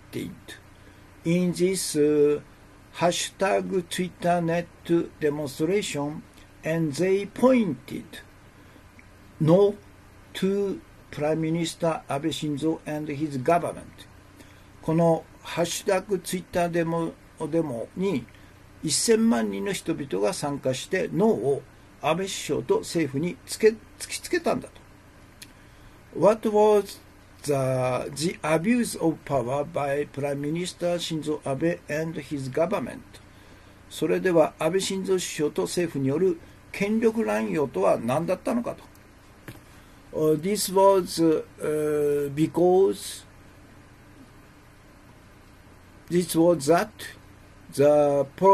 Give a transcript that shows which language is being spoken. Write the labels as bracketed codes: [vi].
[en] conducted in this hashtag Twitter net demonstration, and they pointed no to Prime Minister Abe Shinzo and his government. [ja] このハッシュタグツイッターデモに1000万人の人々が参加して、ノーを安倍首相と政府に突きつけたんだと。 [en] What was the abuse of power by Prime Minister Shinzo Abe and his government? [ja] それでは安倍晋三首相と政府による権力乱用とは何だったのかと。 [en] This was because this was that the